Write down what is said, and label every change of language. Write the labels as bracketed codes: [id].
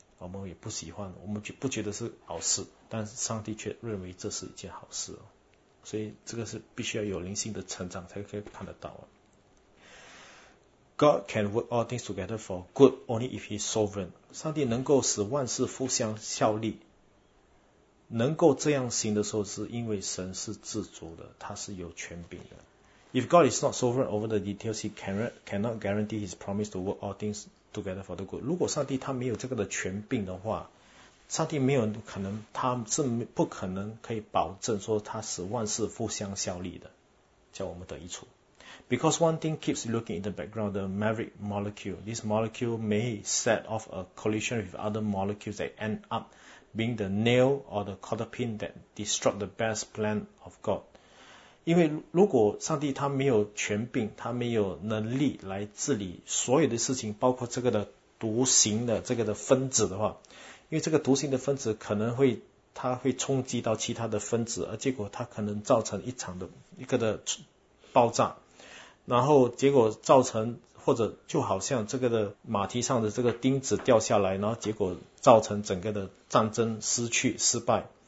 [zh] 我们也不喜欢，我们不觉得是好事，但是上帝却认为这是一件好事，所以这个是必须要有灵性的成长才可以看得到。 [en] God can work all things together for good only if He's sovereign. [zh] 上帝能够使万事互相效力，能够这样行的时候，是因为神是自主的，他是有权柄的。 [en] If God is not sovereign over the details, He cannot guarantee His promise to work all things. Together for the good. [zh] 如果上帝他没有这个的权柄的话，上帝没有可能，他是不可能可以保证说他使万事互相效力的，叫我们得益处。 [en] Because one thing keeps looking in the background, the maverick molecule. This molecule may set off a collision with other molecules that end up being the nail or the cotter pin that disrupt the best plan of God. [zh] 因为如果上帝他没有权柄，他没有能力来治理所有的事情，包括这个的毒行的这个的分子的话，因为这个毒行的分子可能会它会冲击到其他的分子，而结果它可能造成一场的一个的爆炸，然后结果造成或者就好像这个的马蹄上的这个钉子掉下来，然后结果造成整个的战争失败。